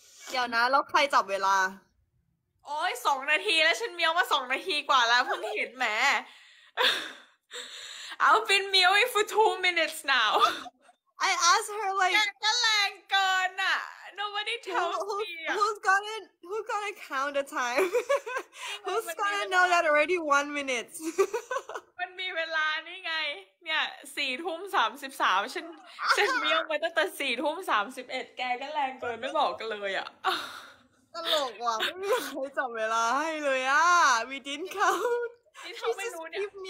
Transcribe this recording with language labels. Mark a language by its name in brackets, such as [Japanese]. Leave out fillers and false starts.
[Thai] เดี๋ยวนะแล้วใครจับเวลา โอ้ย2นาทีแล้วฉันเมียวมา2นาทีกว่าแล้วเพิ่งเห็นแหม [English] I've been meowing for 2 minutes now I asked her like [Thai] แกแรงเกินอ่ะ [English] Nobody tells me Who's gonna count the time Who's gonna know that already 1 minutes [Thai] มันมีเวลานี่ไงเนี่ย 4:33 ฉันเมียวมาตั้งแต่ 4:31 แกก็แรงเกินไม่บอกกันเลยอ่ะ ตลกว่ะไม่มีใครจับเวลาให้เลยอ่ะ [English] We didn't count [Thai] ที่เขาไม่รู้เนี่ย